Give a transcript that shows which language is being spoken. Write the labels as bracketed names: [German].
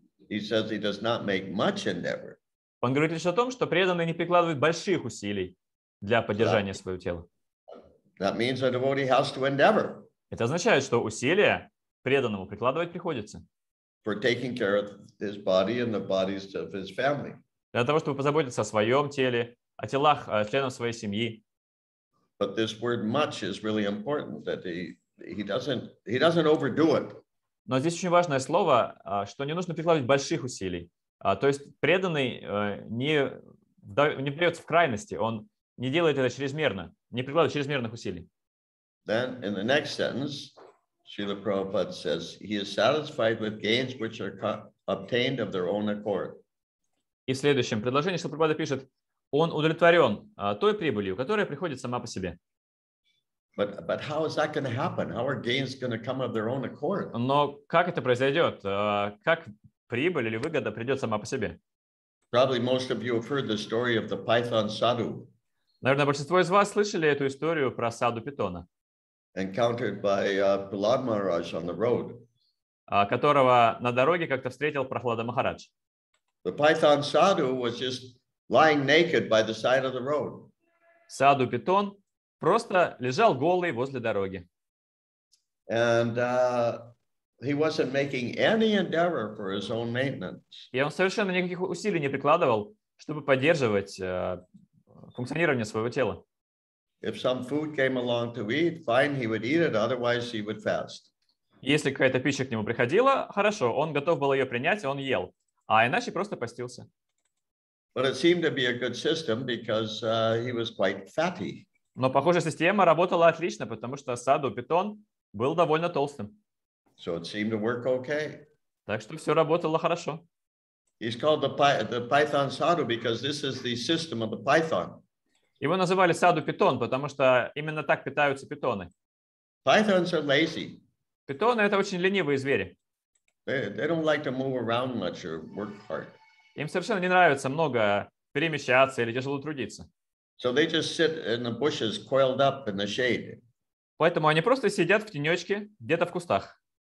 [English] He says he does not make much endeavor. [Russian] Он говорит лишь о том, что преданный не прикладывает больших усилий для поддержания своего тела. [English] That means a devotee has to endeavor. [Russian] Это означает, что усилия преданному прикладывать приходится. [English] For taking care of his body and the bodies of his family. [Russian] Для того, чтобы позаботиться о своем теле, о телах членов своей семьи. [English] But this word much is really important that he doesn't overdo it. [Russian] Но здесь очень важное слово, что не нужно прикладывать больших усилий. То есть преданный не придется в крайности, он не делает это чрезмерно, не прикладывает чрезмерных усилий. [English] Then in the next sentence, Srila Prabhupada says, he is satisfied with gains which are obtained of their own accord. [Russian] И в следующем предложении Шрила Прабхупада пишет, он удовлетворен той прибылью, которая приходит сама по себе. [English] But how is that going to happen? How are gains going to come of their own accord? [Russian] Но как это произойдет? Как прибыль или выгода придет сама по себе? [English] Probably most of you have heard the story of the python sadhu. [Russian] Наверное, большинство из вас слышали эту историю про саду питона. [English] Encountered by Prahlad Maharaj on the road. [Russian] Которого на дороге как-то встретил Прахлада Махарадж. [English] The python sadhu was just lying naked by the side of the road. [Russian] Саду питон просто лежал голый возле дороги. [English] And, he wasn't making any endeavor for his own maintenance. [Russian] И он совершенно никаких усилий не прикладывал, чтобы поддерживать функционирование своего тела. [English] If some food came along to eat, fine, he would eat it, otherwise he would fast. [Russian] Если какая-то пища к нему приходила, хорошо, он готов был ее принять, он ел. А иначе просто постился. [English] But it seemed to be a good system because he was quite fatty. [Russian] Но, похоже, система работала отлично, потому что саду питон был довольно толстым. [English] So it seemed to work okay. [Russian] Так что все работало хорошо. [English] He's called the python sadhu because this is the system of the python. [Russian] Его называли саду питон, потому что именно так питаются питоны. [English] Pythons are lazy. [Russian] Питоны – это очень ленивые звери. [English] They don't like to move around much or work hard. [Russian] Им совершенно не нравится много перемещаться или тяжело трудиться. [English] So they just sit in the bushes, coiled up in the shade. [Russian] Поэтому они просто сидят в тенечке где-то в кустах.